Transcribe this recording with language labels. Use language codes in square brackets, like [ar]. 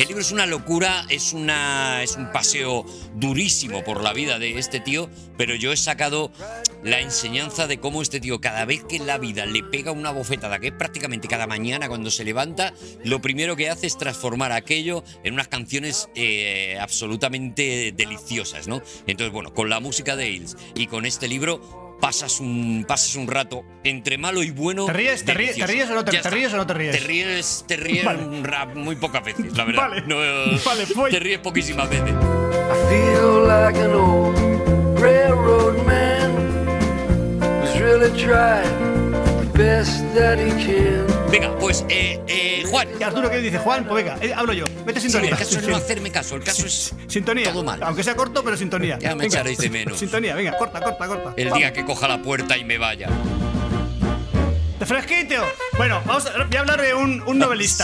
[es] El libro es una locura, es un paseo durísimo por la vida de este tío, pero yo he sacado la enseñanza de cómo este tío, cada vez que la vida le pega una bofetada, que es prácticamente cada mañana cuando se levanta, lo primero que hace es transformar aquello en unas canciones absolutamente deliciosas, ¿no? Entonces, bueno, con la música de Eels y con este libro, pasas un rato entre malo y bueno. ¿Te ríes o no te ríes? Vale. Muy pocas veces, la verdad. Vale, te ríes poquísimas veces. [en] I feel like an old railroad man who's really trying the best that he can. [es] Venga, pues, Juan. ¿Y Arturo qué dice? Juan, pues venga, hablo yo. Mete sintonía. Sí, el caso es no hacerme caso, el caso es sintonía. Todo mal. Aunque sea corto, pero sintonía. Ya me echaréis de menos. Sintonía, venga, corta. El día que coja la puerta y me vaya. ¡De fresquito! Bueno, voy a hablar de un novelista.